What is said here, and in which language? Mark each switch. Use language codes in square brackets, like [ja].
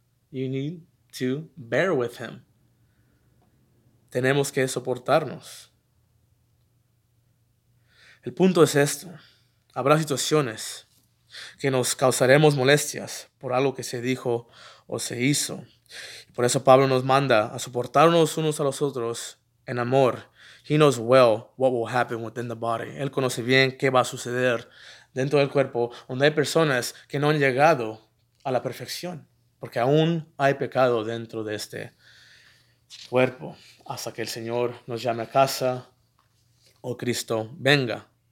[en] You need to bear with him. [es] Tenemos que soportarnos. El punto es esto. Habrá situaciones que nos causaremos molestias por algo que se dijo o se hizo. Por eso Pablo nos manda a soportarnos unos a los otros en amor. [en] He knows well what will happen within the body. [es] Él conoce bien qué va a suceder dentro del cuerpo, donde hay personas que no han llegado a la perfección, porque aún hay pecado dentro de este cuerpo, hasta que el Señor nos llame a casa o Cristo venga.